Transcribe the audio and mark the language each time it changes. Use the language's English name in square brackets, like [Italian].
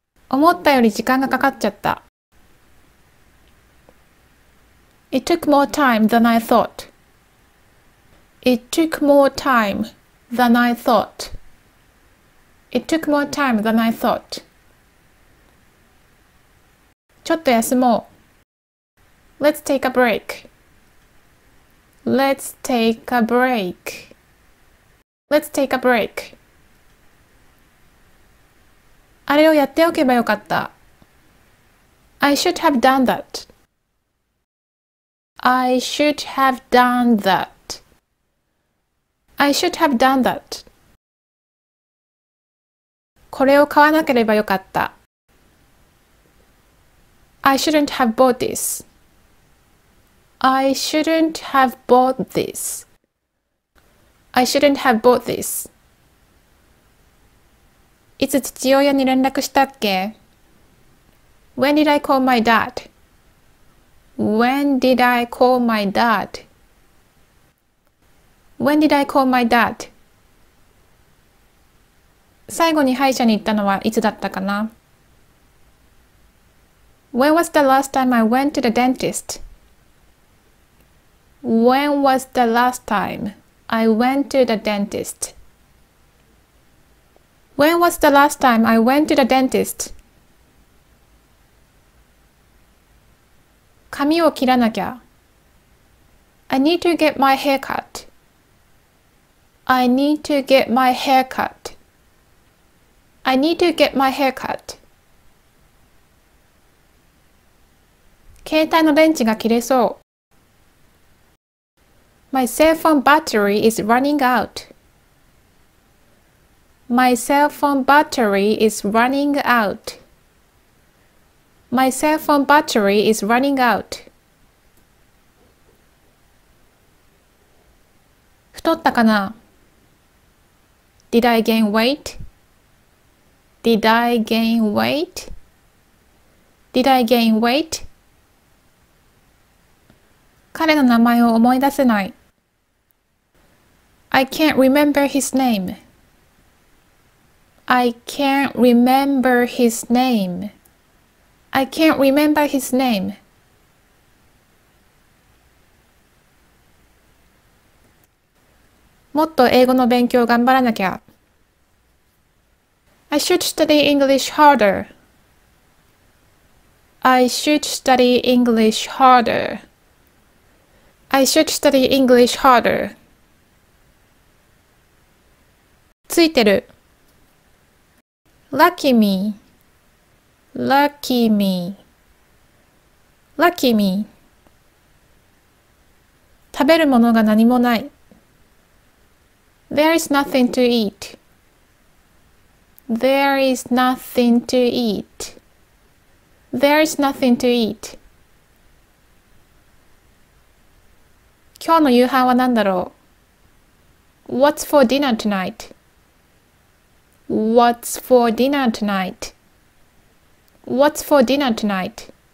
[Japanese] 思ったより時間がかかっちゃった。 [English] It took more time than I thought. It took more time than I thought. It took more time than I thought. [Japanese] ちょっと休もう。 [English] Let's take a break. Let's take a break. Let's take a break. [Japanese] あれをやっておけばよかった。 [English] I should have done that. I should have done that. I should have done that. [Japanese] これを買わなければよかった。 [English] I shouldn't have bought this. I shouldn't have bought this. I shouldn't have bought this. [Japanese] いつ父親に連絡したっけ? [English] When did I call my dad? When did I call my dad? When did I call my dad? [Japanese] 最後に歯医者に行ったのはいつだったかな? [English] When was the last time I went to the dentist? When was the last time I went to the dentist? When was the last time I went to the dentist? [Japanese] 髪を切らなきゃ。 [English] I need to get my hair cut. I need to get my hair cut. I need to get my hair cut. [Japanese] 携帯の電池が切れそう。 [English] My cell phone battery is running out. My cell phone battery is running out. My cell phone battery is running out. [Japanese] 太ったかな? [English] Did I gain weight? Did I gain weight? Did I gain weight? [Japanese] 彼の名前を思い出せない。 [English] I can't remember his name. I can't remember his name. I can't remember his name. [Japanese] もっと英語の勉強を頑張らなきゃ。 [English] I should study English harder. I should study English harder. I should study English harder. [Japanese] ついてる。 [English] Lucky me. Lucky me. Lucky me. [Japanese] 食べるものが何もない。 [English] There is nothing to eat. There is nothing to eat. There is nothing to eat. [Japanese] 今日の夕飯は何だろう? [English] What's for dinner tonight? What's for dinner tonight? What's for dinner tonight?